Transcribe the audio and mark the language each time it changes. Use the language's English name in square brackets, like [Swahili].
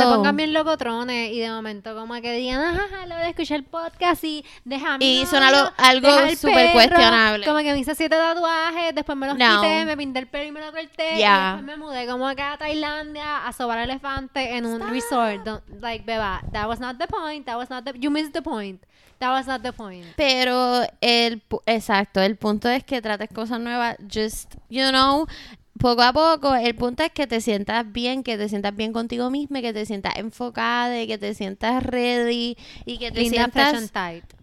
[Spanish] No se pongan bien locotrones y de momento como que digan, ajá, lo voy a escuchar el podcast y déjame. Y son algo súper cuestionable. Como que me hice 7 tatuajes, después me los quité, me pinté el pelo y me lo corté. [English] Yeah. [Spanish] Y después me mudé como acá a Tailandia a sobar elefante en un stop. [English] Resort. Don't, like, beba, that was not the point. You missed the point. That was not the point. [Spanish] Pero, el punto es que trates cosas nuevas. [English] Just, you know. [Spanish] Poco a poco, el punto es que te sientas bien, que te sientas bien contigo misma, que te sientas enfocada, que te sientas ready y que te linda, sientas [English] fresh and tight.